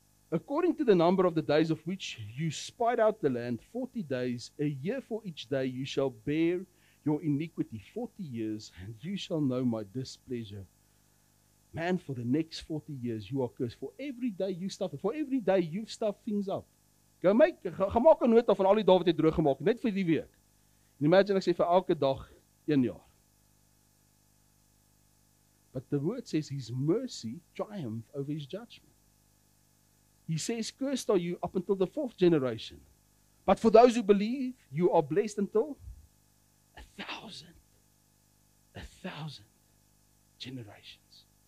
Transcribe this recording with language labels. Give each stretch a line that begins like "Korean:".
English: According to the number of the days of which you spied out the land, 40 days, a year for each day, you shall bear your iniquity 40 years, and you shall know my displeasure. Man, for the next 40 years, you are cursed. For every day you stuff it. For every day you've stuffed things up.
Afrikaans: Ga maak 'n nota van al die dae wat jy droog gemaak het, net vir die week.
English: And imagine,
Afrikaans: ek sê, vir elke dag, 1 jaar.
English: But the word says, his mercy triumph over his judgment. He says, cursed are you up until the fourth generation. But for those who believe, you are blessed until 1,000 generations.